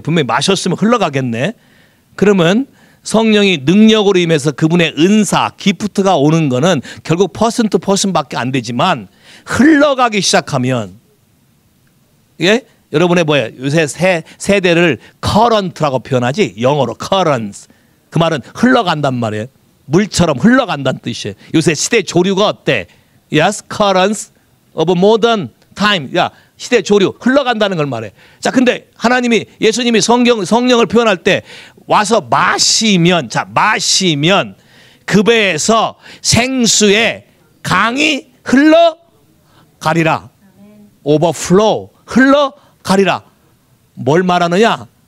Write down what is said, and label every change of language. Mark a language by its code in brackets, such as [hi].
[ko] 분명히 마셨으면 흘러가겠네. 그러면 성령이 능력으로 임해서 그분의 은사, 기프트가 오는 거는 결국 퍼센트 퍼센트밖에 안 되지만 흘러가기 시작하면 예? 여러분의 뭐예요? 요새 세대를 커런트라고 표현하지? 영어로 커런트. 그 말은 흘러간단 말이에요. 물처럼 흘러간다는 뜻이에요. 요새 시대 조류가 어때? [en] Yes, currents of modern time. [ko] 야, 시대 조류 흘러간다는 걸 말해. 자, 근데 하나님이 예수님이 성령을 표현할 때 와서 마시면 자 마시면 그 배에서 생수의 강이 흘러 가리라. Overflow 흘러 가리라. 뭘 말하느냐?